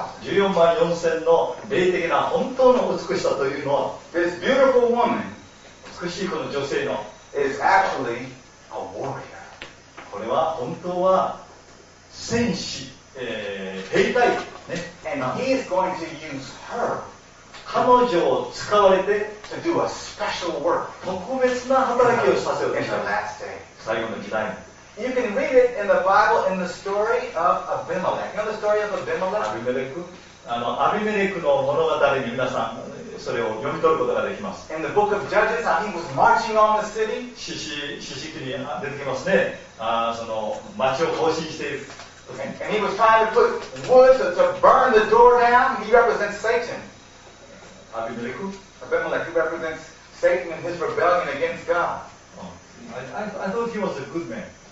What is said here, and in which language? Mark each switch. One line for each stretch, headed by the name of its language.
Japanese: 14万4000の霊的な本当の美しさというのは、
English: This beautiful woman
Japanese: 美しいこの女性の
English: is actually a warrior.
Japanese: これは本当は戦士、兵隊、ね、
English: And he is going to use her
Japanese: 彼女を使われて
English: to do a special work
Japanese: 特別な働きをさせようとしたい最後の時代に。
English: You can read it in the Bible in the story of Abimelech. You know the story of Abimelech?
Japanese: アビメレクの物語に皆さんそれを読み取ることができます。
English: In the book of Judges, he was marching on the city.
Japanese: 詩式に出てきますね。その町を行進している。
English: Okay. And he was trying to put wood to burn the door down. He represents Satan. Abimelech represents Satan and his rebellion against God. I thought he was a good man.